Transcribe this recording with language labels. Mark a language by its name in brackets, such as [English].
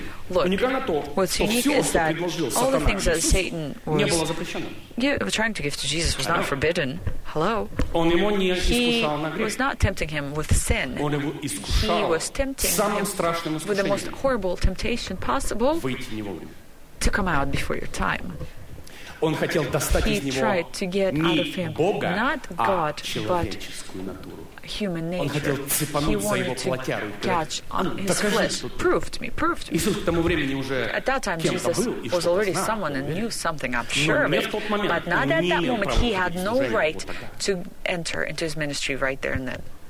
[English] Look, what's unique is that all the things that Satan was trying to give to Jesus was not forbidden. Hello? He was not tempting him with sin. He was tempting him with the most horrible temptation possible to come out before your time. [Russian] Он хотел достать из него не Бога, а человеческую натуру. [English] Human nature. [Russian] Он хотел цепануть за его плотяру. [English] Prove to me. [Russian] Иисус к тому времени уже кем-то был и что-то знал. [English] Knew something, I'm sure. [Russian] Но не в тот момент. [English] But not at that moment. He had no right to enter into his ministry right there and then.